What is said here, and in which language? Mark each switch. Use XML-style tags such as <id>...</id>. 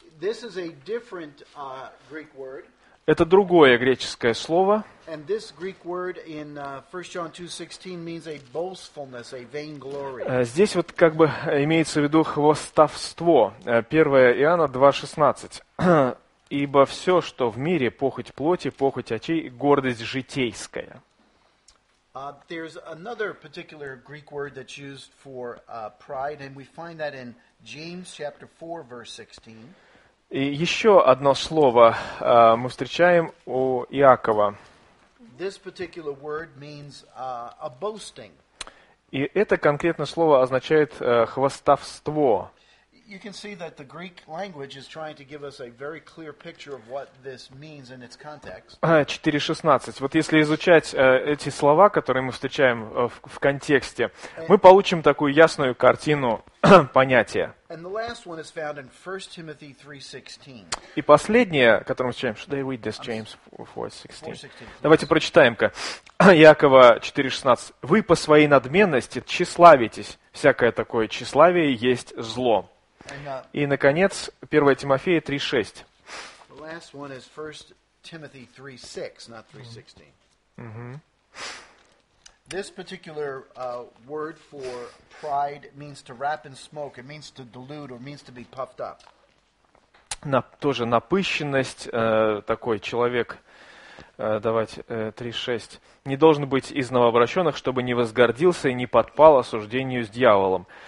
<en>This is a different Greek word.</en> <ru>Это другое греческое слово.</ru> <en>And this Greek word in 1 John 2:16 means a boastfulness, a vainglory.</en> <ru>Здесь вот как бы имеется в виду хвастовство. 1 Иоанна 2:16. Ибо все, что в мире, похоть плоти, похоть очей, гордость житейская.</ru> <en>There's another particular Greek word that's used for pride, and we find that in James chapter 4, verse 16.</en> <ru>И еще одно слово мы встречаем у Иакова.</ru> <en>This particular word means, a boasting.</en> <ru>И это конкретное слово означает хвастовство.</ru> <en>you can see that the Greek language is trying to give us a very clear picture of what this means in its context. 4:16.</en> <ru>Вот если изучать эти слова, которые мы встречаем в контексте, мы получим такую ясную картину понятия.</ru> <en>And the last one is found in 1 Timothy 3:16.</en> <ru>И последнее, которое мы читаем,</ru> <en>should I read this, James 4:16?</en> <ru>Давайте прочитаем-ка. Иакова 4:16. Вы по своей надменности тщеславитесь. Всякое такое тщеславие есть зло. И, наконец, 1 Тимофея 3:6.</ru> <en>The last one is 1 Timothy 3:6, not 3:16. Mm-hmm. This particular word for pride means to wrap in smoke. It means to delude or means to be puffed up.</en> <ru>Тоже напыщенность, такой человек... Давайте 3:6. Не должен быть из новообращенных, чтобы не возгордился и не подпал осуждению с дьяволом.</ru>